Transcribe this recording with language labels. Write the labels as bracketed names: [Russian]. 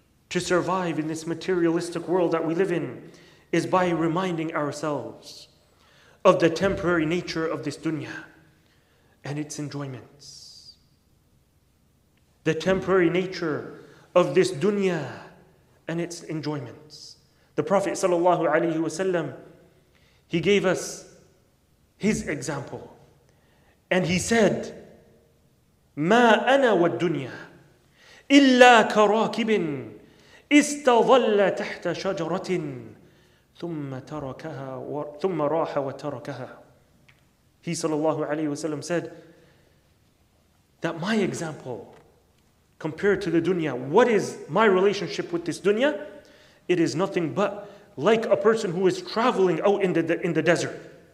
[English] to survive in this materialistic world that we live in is by reminding ourselves of the temporary nature of this dunya and its enjoyments. The temporary nature of this dunya and its enjoyments. The Prophet sallallahu alaihi wasallam, he gave us his example. And he said, [Arabic] مَا أَنَا وَالدُّنْيَا إِلَّا كَرَاكِبٍ إِسْتَظَلَّ تَحْتَ شَجَرَةٍ ثُمَّ رَاحَ وَتَرَكَهَا. [English] He sallallahu alayhi wa sallam said that my example compared to the dunya, what is my relationship with this dunya? It is nothing but like a person who is traveling out in the desert.